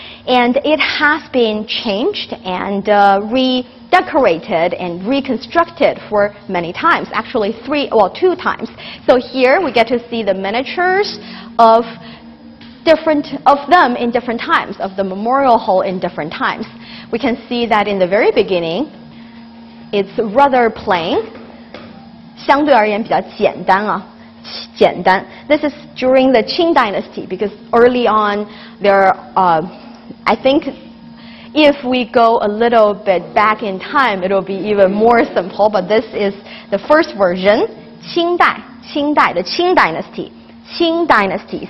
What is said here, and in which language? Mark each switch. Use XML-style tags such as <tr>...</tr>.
<en>And it has been changed and redecorated and reconstructed for many times, actually two times. So here we get to see the miniatures of different of them in different times, of the memorial hall in different times. We can see that in the very beginning, it's rather plain.</en> <zh>相对而言比较简单啊，简单。</zh> <en>This is during the Qing Dynasty, because early on, there, I think if we go a little bit back in time, it'll be even more simple, but this is the first version,</en> <zh>清代，清代的</zh> <en>Qing Dynasty, Qing Dynasty.</en>